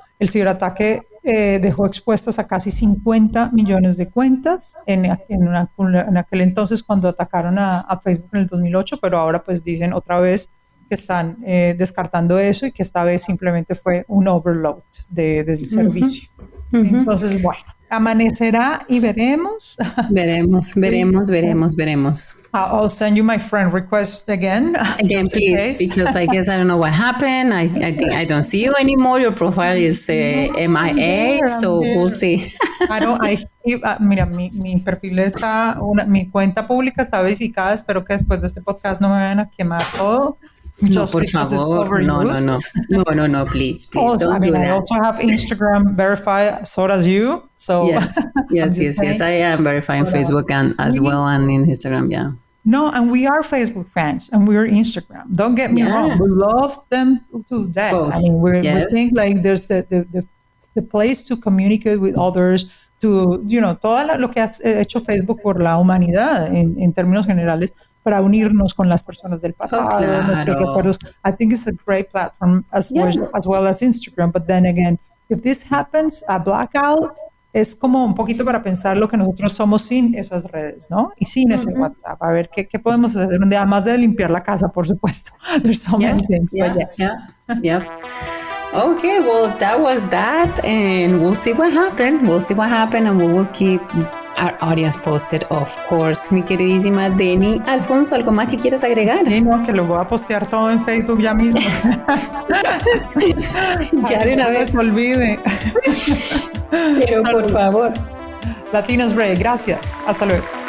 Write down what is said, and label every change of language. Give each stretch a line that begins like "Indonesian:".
Spanish: El ciberataque dejó expuestas a casi 50 millones de cuentas en aquel entonces cuando atacaron a Facebook en el 2008, pero ahora pues dicen otra vez que están descartando eso y que esta vez simplemente fue un overload del servicio. Entonces, bueno, amanecerá y veremos. Veremos, veremos, veremos, veremos.
English: I'll send you my friend request again. Again, please, because I guess I don't know what happened. I don't see you anymore. Your profile is MIA, so we'll see.
Spanish: mi perfil está, mi cuenta pública está verificada. Espero que después de este podcast no me vayan a quemar todo.
English: Just no,
Spanish: por favor,
English: no, please, don't do that. I also have Instagram verified, so does you, so. Yes, I am verified on Facebook and in Instagram, yeah. No, and we are Facebook fans, and we are Instagram, don't get me wrong, we love them to death. Both. I mean, we think like there's the place to communicate with others, to, you know,
Spanish: todo lo que has hecho Facebook por la humanidad en términos generales, para unirnos con las personas del pasado, nuestros recuerdos.
English: I think it's a great platform as well as Instagram. But then again, if this happens, a blackout,
Spanish: es como un poquito para pensar lo que nosotros somos sin esas redes, ¿no? Y sin ese WhatsApp. A ver, ¿qué podemos hacer un día? Además de limpiar la casa, por supuesto.
English: There's so many things, but yes. Yeah. Okay, well, that was that. And we'll see what happened. We'll see what happened, and we will keep our audience posted, of course.
Spanish: Mi queridísima Deni. Alfonso, ¿algo más que quieras agregar? Sí, no, que lo voy a postear todo en Facebook ya mismo. Ya de una vez. No se olvide. Pero por favor. Latinos Break, gracias. Hasta luego.